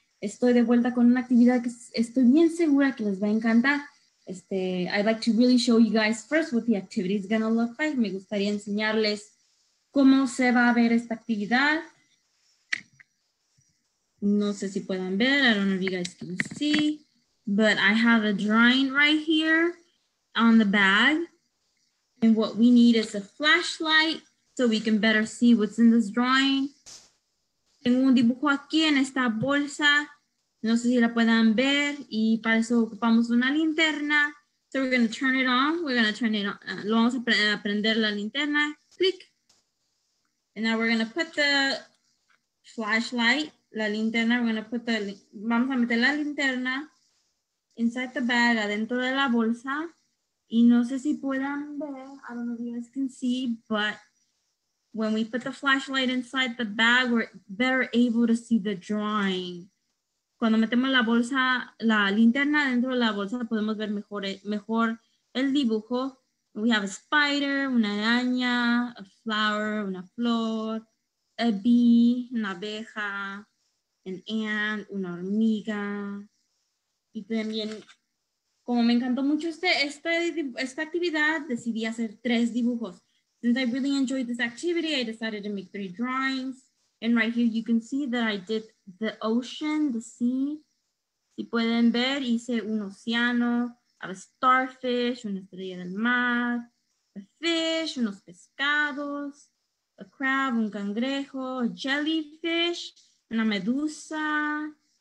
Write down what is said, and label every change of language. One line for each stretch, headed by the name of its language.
Spanish: Estoy de vuelta con una actividad que estoy bien segura que les va a encantar.
English: I'd like to really show you guys first what the activity is going to look like.
Spanish: Me gustaría enseñarles cómo se va a ver esta actividad. No sé si puedan ver,
English: I don't know if you guys can see, but I have a drawing right here on the bag. And what we need is a flashlight so we can better see what's in this drawing.
Spanish: Tengo un dibujo aquí en esta bolsa. No sé si la puedan ver y para eso ocupamos una linterna.
English: So we're gonna turn it on. We're gonna turn it on.
Spanish: Lo vamos a prender la linterna.
English: Click. And now we're gonna put the flashlight.
Spanish: La linterna,
English: we're gonna put the,
Spanish: vamos a meter la linterna
English: inside the bag,
Spanish: adentro de la bolsa. Y no sé si puedan ver,
English: I don't know if you guys can see, but when we put the flashlight inside the bag, we're better able to see the drawing.
Spanish: Cuando metemos la bolsa, la linterna dentro de la bolsa, podemos ver mejor el dibujo.
English: We have a spider,
Spanish: una araña,
English: a flower,
Spanish: una flor,
English: a bee,
Spanish: una abeja,
English: an ant,
Spanish: una hormiga. Y también, como me encantó mucho esta actividad, decidí hacer tres dibujos.
English: Since I really enjoyed this activity, I decided to make three drawings. And right here, you can see that I did the ocean, the sea.
Spanish: Si pueden ver, hice un océano,
English: a starfish,
Spanish: una estrella del mar,
English: a fish,
Spanish: unos pescados,
English: a crab,
Spanish: un cangrejo,
English: a jellyfish,
Spanish: una medusa.